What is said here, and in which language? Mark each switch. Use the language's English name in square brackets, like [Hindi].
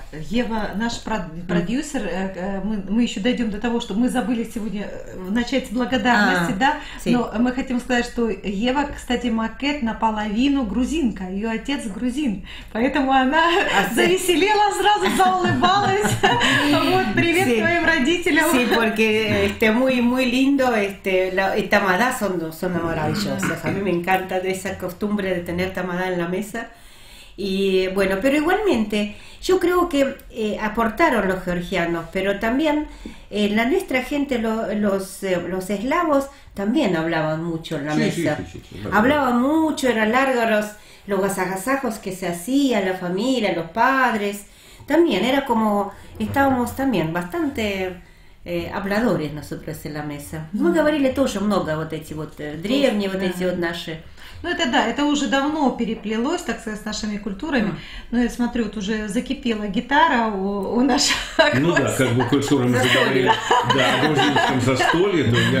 [Russian] Ева, наш продюсер, мы еще дойдем до того, что мы забыли сегодня начать с благодарности, да? [Spanish] Sí. [Russian] Но мы хотим сказать, что Ева, кстати, Макет наполовину грузинка, ее отец грузин, поэтому она завеселела сразу, заулыбалась. Вот, привет твоим родителям. [Spanish] Sí, porque muy, muy lindo, tamadá son maravillosos. A mí me encanta esa costumbre de tener tamadá en la mesa. Y bueno, pero igualmente yo creo que aportaron los georgianos, pero también la nuestra gente, los eslavos también hablaban mucho en la mesa. Sí, sí, sí, sí, sí. Hablaban mucho, eran largos los agasajos que se hacían, la familia, los padres, también era como estábamos también bastante habladores nosotros en la mesa. [Russian] Мы говорили тоже много вот эти вот древние, вот эти вот наши. Ну это да, это уже давно переплелось, так сказать, с нашими культурами. Ну я смотрю, вот уже закипела гитара у нашего гостя. Ну да, как бы культура мы заговорили о грузинском застолье.